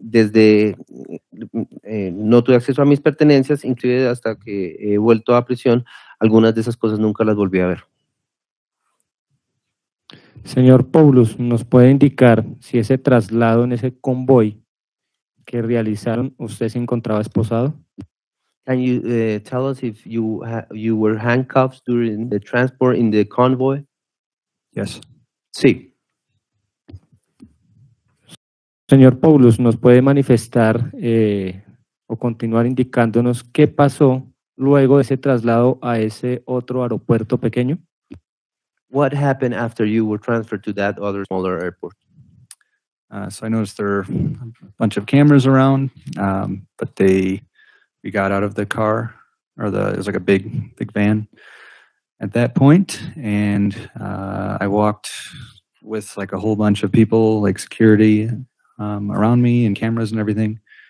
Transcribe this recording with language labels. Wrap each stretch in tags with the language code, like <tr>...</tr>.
<es>No tuve acceso a mis pertenencias, inclusive hasta que he vuelto a prisión, algunas de esas cosas nunca las volví a ver. Señor Poulos, ¿nos puede indicar si ese traslado en ese convoy que realizaron usted se encontraba esposado?</es> <en>Can you tell us if you were handcuffed during the transport in the convoy? Yes.</en> <es>Sí. Señor Poulos, ¿nos puede manifestar o continuar indicándonos qué pasó luego de ese traslado a ese otro aeropuerto pequeño?</es> <en>What happened after you were transferred to that other smaller airport? So I noticed there are a bunch of cameras around, but we got out of the car, or it was like a big van, at that point, and I walked with like a whole bunch of people, like security around me and cameras and everything.</en>